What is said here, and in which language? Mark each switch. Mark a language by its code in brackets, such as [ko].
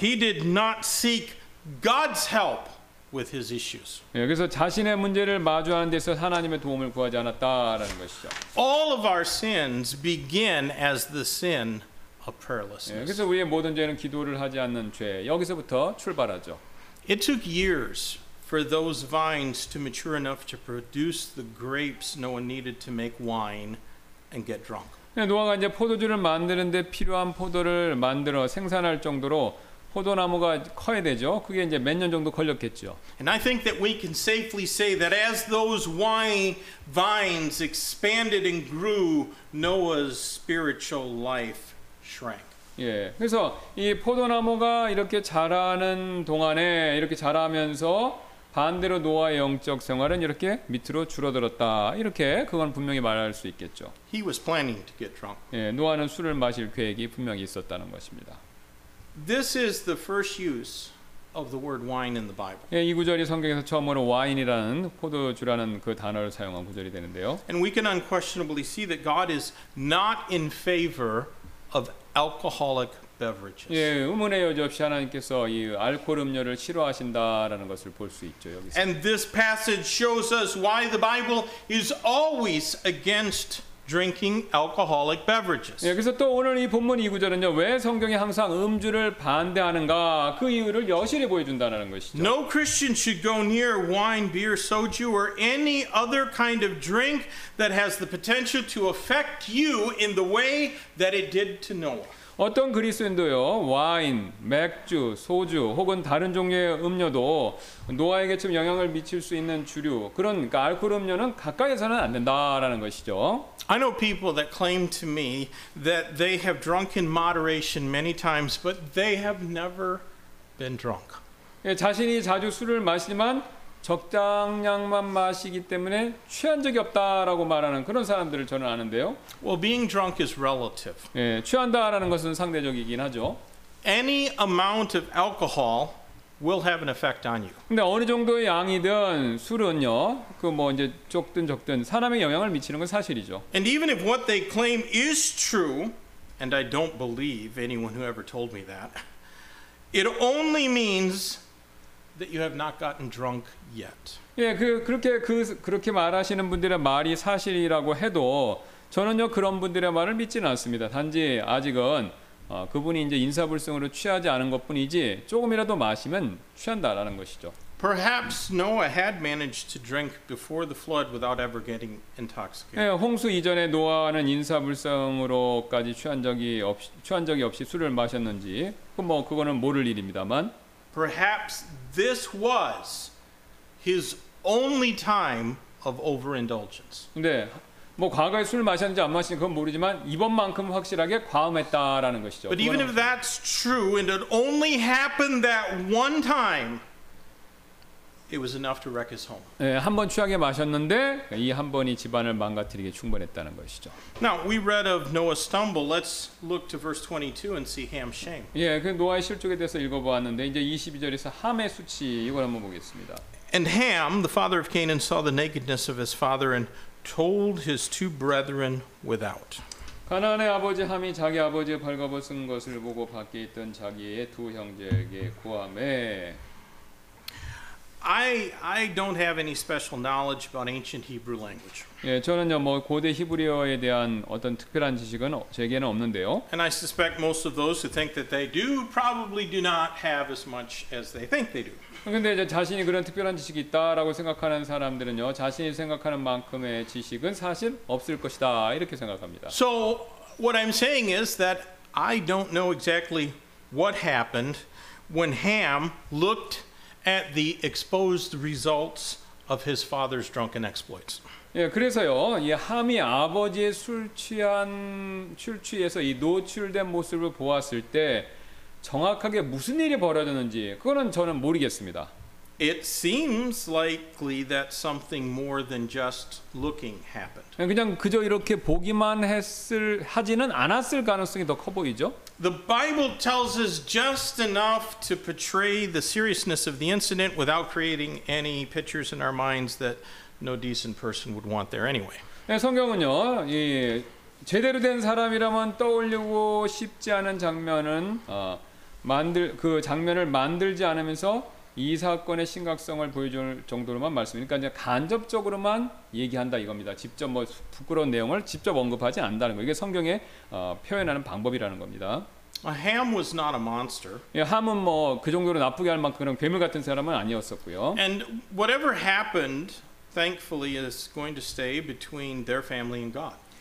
[en] He did not seek God's help with his issues. [ko] 예, 그래서 자신의 문제를 마주하는 데서 하나님의 도움을 구하지 않았다라는 것이죠. [en] All of our sins begin as the sin of prayerlessness. [ko] 예, 그래서 우리의 모든 죄는 기도를 하지 않는 죄. 여기서부터 출발하죠. [en] It took years for those vines to mature enough to produce the grapes Noah needed to make wine and get drunk. [ko] 노아가 이제 포도주를 만드는데 필요한 포도를 만들어 생산할 정도로 포도나무가 커야 되죠. 그게 이제 몇 년 정도 걸렸겠죠. [en] And I think that we can safely say that as those wine vines expanded and grew, Noah's spiritual life shrank. [ko] 예, 그래서 이 포도나무가 이렇게 자라는 동안에 이렇게 자라면서 반대로 노아의 영적 생활은 이렇게 밑으로 줄어들었다. 이렇게 그건 분명히 말할 수 있겠죠. [en] He was planning to get drunk. [ko] 예, 노아는 술을 마실 계획이 분명히 있었다는 것입니다. [en] This is the first use of the word wine in the Bible. [ko] 예, 이 구절이 성경에서 처음으로 와인이라는 포도주라는 그 단어를 사용한 구절이 되는데요. [en] And we can unquestionably see that God is not in favor of alcoholic beverages. [ko] 예, 의문의 여지 없이 하나님께서 이 알코올 음료를 싫어하신다라는 것을 볼 수 있죠, 여기서. [en] And this passage shows us why the Bible is always against drinking alcoholic beverages. [ko] 예, 그래서 또 오늘 이 본문 이 구절은요, 왜 성경이 항상 음주를 반대하는가 그 이유를 여실히 보여준다는 것이죠. [en] No Christian should go near wine, beer, soju, or any other kind of drink that has the potential to affect you in the way that it did to Noah. [ko] 어떤 그리스도인도요 와인, 맥주, 소주 혹은 다른 종류의 음료도 노아에게 좀 영향을 미칠 수 있는 주류 그런 그러니까 알코올 음료는 가까이에서는 안 된다라는 것이죠. [en] I know people that claim to me that they have drunk in moderation many times, but they have never been drunk. [ko] 예, 자신이 자주 술을 마시지만 적당량만 마시기 때문에 취한 적이 없다라고 말하는 그런 사람들을 저는 아는데요. [en] Well, being drunk is relative. [ko] 예, 취한다라는 것은 상대적이긴 하죠. [en] Any amount of alcohol will have an effect on you. [ko] 근데 어느 정도의 양이든 술은요, 그 뭐 이제 적든 사람의 영향을 미치는 건 사실이죠. [en] And even if what they claim is true, and I don't believe anyone who ever told me that, it only means that you have not gotten drunk yet. [ko] 예, 그렇게 말하시는 분들의 말이 사실이라고 해도 저는요 그런 분들의 말을 믿지는 않습니다. 단지 아직은 그분이 이제 인사불성으로 취하지 않은 것뿐이지 조금이라도 마시면 취한다라는 것이죠. [en] Perhaps Noah had managed to drink before the flood without ever getting intoxicated. [ko] 예, 홍수 이전에 노아는 인사불성으로까지 취한 적이 없이 술을 마셨는지 뭐 그거는 모를 일입니다만. [en] Perhaps this was his only time of overindulgence. [ko] 네, 뭐 과거에 술 마셨는지 안 마셨는지 그건 모르지만 이번만큼 확실하게 과음했다라는 것이죠. [en] But even if that's true and it only happened that one time, it was enough to wreck his home. [ko] 네, 한 번 취하게 마셨는데 이 한 번이 집안을 망가뜨리게 충분했다는 것이죠. [en] Now we read of Noah's stumble. Let's look to verse 22 and see Ham's shame. [ko] 예, 그 노아의 실족에 대해서 읽어보았는데 이제 22절에서 함의 수치 이걸 한번 보겠습니다. [en] And Ham, the father of Canaan, saw the nakedness of his father and told his two brethren without. [ko] 가나안의 아버지 함이 자기 아버지의 벌거벗은 것을 보고 밖에 있던 자기의 두 형제에게 고함해. [en] I don't have any special knowledge about ancient Hebrew language. [ko] 예, 저는요 뭐 고대 히브리어에 대한 어떤 특별한 지식은 제게는 없는데요. [en] And I suspect most of those who think that they do probably do not have as much as they think they do. [ko] 근데 이제 자신이 그런 특별한 지식이 있다라고 생각하는 사람들은요, 자신이 생각하는 만큼의 지식은 사실 없을 것이다 이렇게 생각합니다. [en] So What I'm saying is that I don't know exactly what happened when Ham looked at the exposed results of his father's drunken exploits. [ko] 예, 그래서요. 이 함이 아버지의 술취에서 이 노출된 모습을 보았을 때 정확하게 무슨 일이 벌어졌는지 그거는 저는 모르겠습니다. [en] It seems likely that something more than just looking happened. [ko] 그냥 그저 이렇게 보기만 했을 하지는 않았을 가능성이 더 커 보이죠? [en] The Bible tells us just enough to portray the seriousness of the incident without creating any pictures in our minds that no decent person would want there anyway. [ko] 네, 성경은요. 예, 제대로 된 사람이라면 떠올리고 싶지 않은 장면은 그 장면을 만들지 않으면서 이 사건의 심각성을 보여줄 정도로만 말씀이니까 이제 간접적으로만 얘기한다 이겁니다. 직접 뭐 부끄러운 내용을 직접 언급하지 않는다는 거. 이게 성경의 표현하는 방법이라는 겁니다. [en] Ham was not a monster. [ko] 예, 함은 뭐 그 정도로 나쁘게 할 만큼 그런 괴물 같은 사람은 아니었었고요. [en] And whatever happened thankfully is going to stay between their family and God.